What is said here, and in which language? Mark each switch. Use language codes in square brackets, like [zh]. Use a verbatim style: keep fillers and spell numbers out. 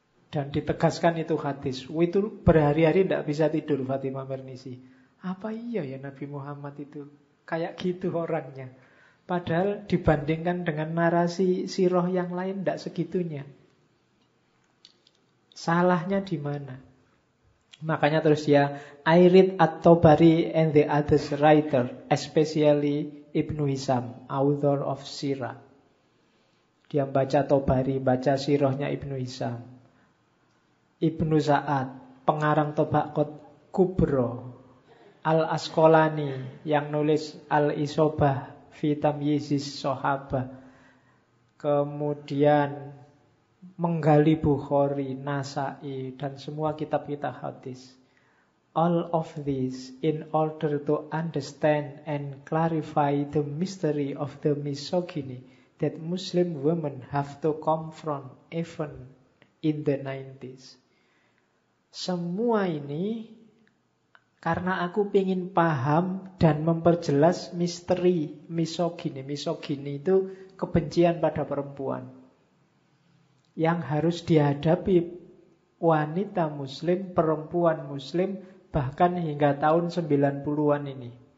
[id] Dan ditegaskan itu hadis. Itu berhari-hari ndak bisa tidur Fatima Mernissi. Apa iya ya Nabi Muhammad itu kayak gitu orangnya? Padahal dibandingkan dengan narasi sirah yang lain ndak segitunya. Salahnya di mana? Makanya terus ya, [en] I read At-Tabari and the other writer, especially Ibnu Hisam, author of Sirah. [id] Dia baca Tabari, baca sirahnya Ibnu Hisam. Ibnu Sa'ad, pengarang Tabaqat Kubro. Al-Asqalani, yang nulis Al-Isobah fi Tamyizis Sohabah. Kemudian menggali Bukhari, Nasa'i, dan semua kitab-kitab hadis. [en] All of this in order to understand and clarify the mystery of the misogyny that Muslim women have to confront even in the nineties. [id] Semua ini karena aku ingin paham dan memperjelas misteri misogyny. Misogyny itu kebencian pada perempuan yang harus dihadapi wanita muslim, perempuan muslim, bahkan hingga tahun sembilan puluhan ini.